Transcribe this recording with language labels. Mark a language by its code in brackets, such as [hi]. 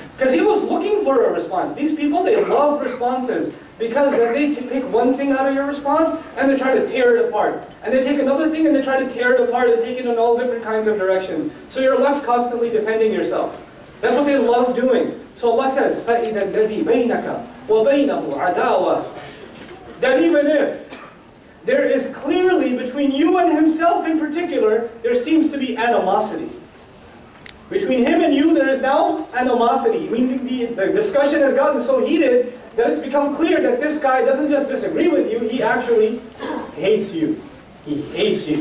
[en] Because he was looking for a response. These people, they love responses. Because then they can pick one thing out of your response, and they try to tear it apart. And they take another thing, and they try to tear it apart, and take it in all different kinds of directions. So you're left constantly defending yourself. That's what they love doing. So Allah says, [ar] فَإِذَا الَّذِي بَيْنَكَ وَبَيْنَهُ عَدَاوَةٌ. [en] That even if there is clearly between you and himself in particular, there seems to be animosity. Between him and you, there is now animosity. Meaning the discussion has gotten so heated that it's become clear that this guy doesn't just disagree with you, he actually hates you. He hates you.